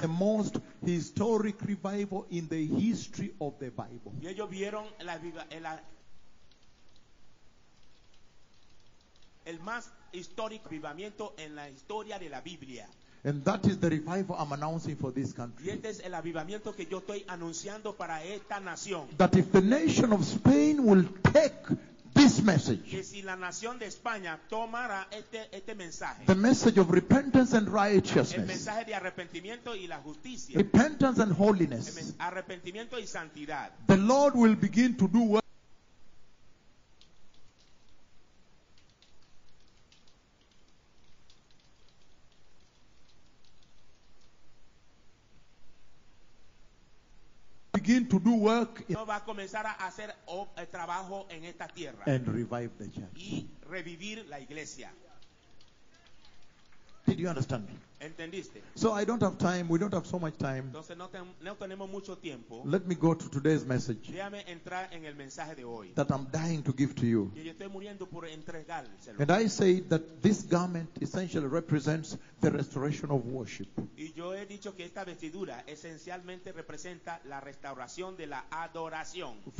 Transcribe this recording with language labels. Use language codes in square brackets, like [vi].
[en] The most historic revival in the history of the Bible. [es] Y ellos vieron la vida, la el más histórico avivamiento en la historia de la Biblia. [en] And that is the revival I'm announcing for this country. [es] Y este es el avivamiento que yo estoy anunciando para esta nación. [en] That if the nation of Spain will take this message. [es] Que si la nación de España tomara este mensaje. [en] The message of repentance and righteousness. [es] El mensaje de arrepentimiento y la justicia. [en] Repentance and holiness. [es] Arrepentimiento y santidad. [en] The Lord will begin to do what? Begin to do work [es] in, va a comenzar a hacer trabajo en esta tierra, [en] and revive the church. [es] Y revivir la iglesia. [en] Did you understand? [es] ¿Entendiste? [en] So I don't have time. We don't have so much time. [es] Entonces no tenemos mucho tiempo. [en] Let me go to today's message. [es] Déjame entrar en el mensaje de hoy. [en] That I'm dying to give to you. [es] Que yo estoy muriendo por entregárselo. [en] And I say that this garment essentially represents the restoration of worship. [es] Y yo he dicho que esta vestidura esencialmente representa la restauración de la adoración.